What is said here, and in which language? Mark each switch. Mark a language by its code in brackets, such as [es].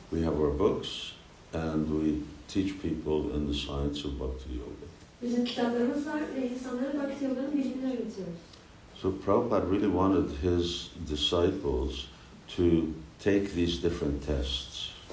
[en] We have our books and we teach people in the science of Bhakti Yoga. [tr] Bizim kitaplarımız var ve insanlara Bhakti Yoga'nın bilgilerini öğretiyoruz. [en] So Prabhupada really wanted his disciples to take these different tests.